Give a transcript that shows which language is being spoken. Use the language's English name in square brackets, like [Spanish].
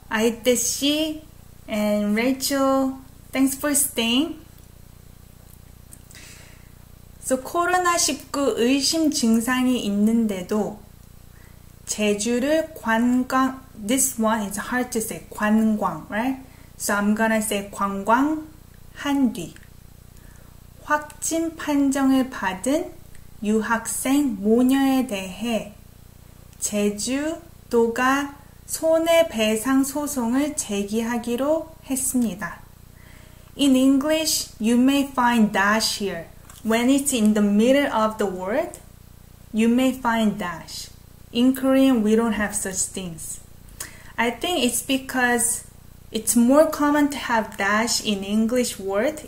[English] 아이떼 씨 and Rachel. Thanks for staying. So, [Korean] 코로나19 의심 증상이 있는데도 제주를 관광, [English] this one is hard to say, 관광, right? So I'm gonna say [Korean] 관광 한 뒤 확진 판정을 받은 유학생 모녀에 대해 제주도가 손해배상 소송을 제기하기로 했습니다. [English] In English, you may find dash here. When it's in the middle of the word, you may find dash. In Korean, we don't have such things. I think it's because it's more common to have dash in English word.